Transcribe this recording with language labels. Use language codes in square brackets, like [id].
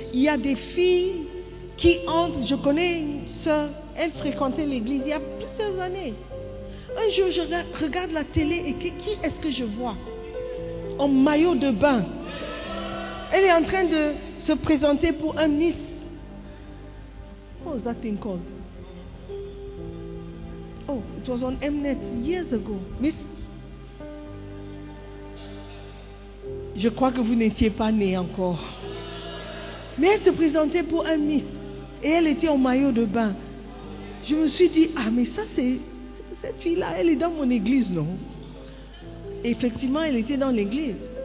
[fr] Il y a des filles qui entrent. Je connais une sœur, elle fréquentait l'église il y a plusieurs années. Un jour, je regarde la télé et qui est-ce que je vois? En maillot de bain. Elle est en train de se présenter pour un Miss. [en] What was that thing called? Oh, it was on Mnet years ago. [fr] Miss. Je crois que vous n'étiez pas née encore. Mais elle se présentait pour un Miss. Et elle était en maillot de bain. Je me suis dit, ah mais ça c'est... Cette fille-là, elle est dans mon église, non? Effectivement, elle était dans l'église.